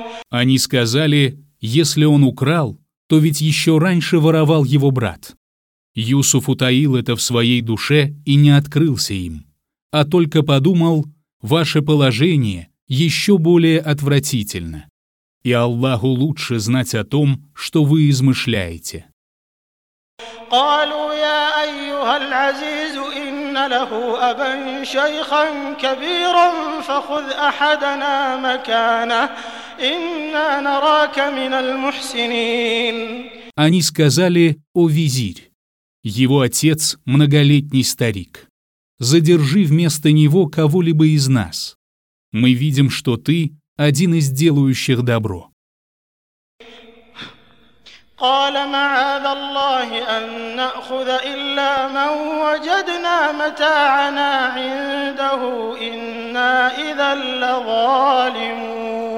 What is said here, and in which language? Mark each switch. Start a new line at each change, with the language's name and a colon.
Russian: Они сказали: «Если он украл, то ведь еще раньше воровал его брат. Юсуф утаил это в своей душе и не открылся им, а только подумал: ваше положение еще более отвратительно, и Аллаху лучше знать о том, что вы измышляете».
Arabic: قالوا يا أيها العزيز إن له أبا شيخا كبيرا فخذ أحدنا مكانه إنا نراك من المحسنين.
Russian: Они сказали: «О визирь, его отец многолетний старик. Задержи вместо него кого-либо из нас. Мы видим, что ты один из делающих добро».
Arabic: قال معاذ الله أن نأخذ إلا من وجدنا متاعنا عنده إنا إذا لظالمون.